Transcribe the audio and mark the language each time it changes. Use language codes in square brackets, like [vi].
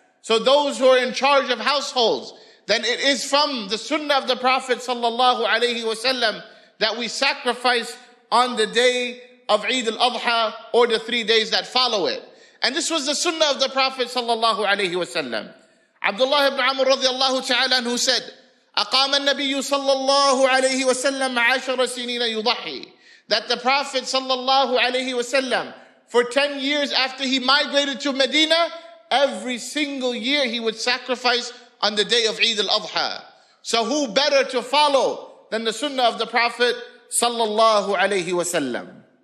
[en] So those who are in charge of households, then it is from the sunnah of the Prophet sallallahu alayhi wa sallam that we sacrifice on the day of Eid al-Adha or the 3 days that follow it. And this was the sunnah of the Prophet sallallahu alayhi wa sallam. [ar] Abdullah ibn Amr radiallahu ta'ala anhu said, أقام النبي صلى الله عليه وسلم عشر سنين يضحي. [en] That the Prophet صلى الله عليه وسلم, for 10 years after he migrated to Medina, every single year he would sacrifice on the day of Eid al-Adha. So who better to follow than the sunnah of the Prophet صلى الله عليه وسلم.